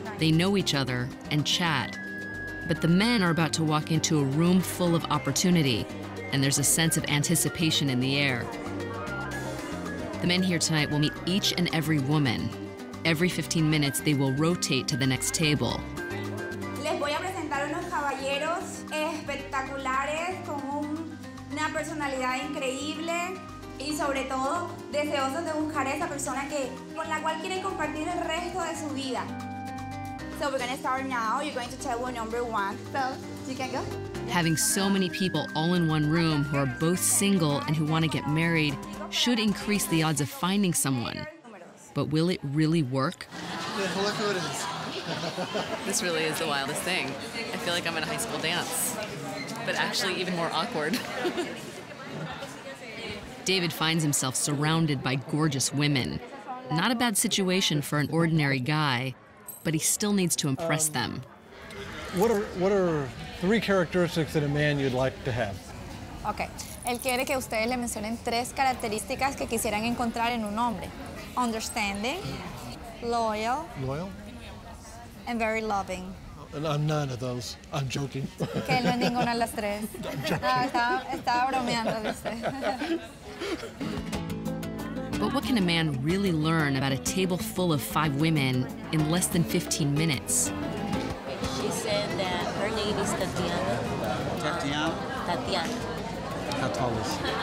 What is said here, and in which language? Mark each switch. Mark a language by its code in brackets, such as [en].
[en] They know each other and chat. But the men are about to walk into a room full of opportunity, and there's a sense of anticipation in the air. The men here tonight will meet each and every woman. Every 15 minutes, they will rotate to the next table. [es] Les voy a presentar unos caballeros espectaculares con una personalidad increíble y sobre todo deseosos de buscar a esa persona que con la cual quieren compartir el resto de su vida. [en] So we're going to start now. You're going to table number one. So you can go. Having so many people all in one room who are both single and who want to get married should increase the odds of finding someone. But will it really work? Yeah, look who it is. This really is the wildest thing. I feel like I'm in a high school dance, but actually even more awkward. David finds himself surrounded by gorgeous women. Not a bad situation for an ordinary guy, but he still needs to impress them. What are three characteristics that a man you'd like to have? Okay. [es] Él quiere que ustedes le mencionen tres características que quisieran encontrar en un hombre. [en] Understanding, loyal, and very loving. And I'm none of those. I'm joking. [es] Que él no es ninguna de las tres. [en] I'm joking. [es] No, estaba bromeando, dice. [en] But what can a man really learn about a table full of five women in less than 15 minutes? She said that her name is Tatiana. How tall is